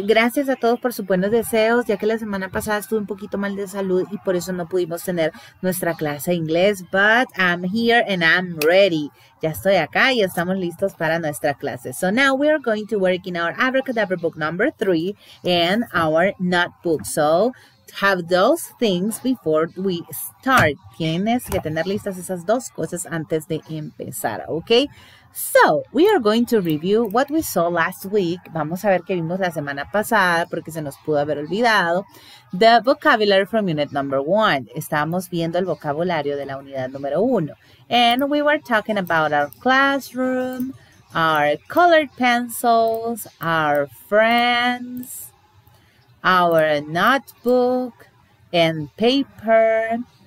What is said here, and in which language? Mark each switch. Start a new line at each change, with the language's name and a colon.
Spanish: Gracias a todos por sus buenos deseos, ya que la semana pasada estuve un poquito mal de salud y por eso no pudimos tener nuestra clase de inglés.
English: But I'm here and I'm ready.
Spanish: Ya estoy acá y estamos listos para nuestra clase.
English: So now we are going to work in our abracadabra book number 3 and our notebook. So have those things before we start.
Spanish: Tienes que tener listas esas dos cosas antes de empezar, okay?
English: So, we are going to review what we saw last week.
Spanish: Vamos a ver qué vimos la semana pasada porque se nos pudo haber olvidado.
English: The vocabulary from unit number 1.
Spanish: Estábamos viendo el vocabulario de la unidad número 1.
English: And we were talking about our classroom, our colored pencils, our friends, our notebook and paper.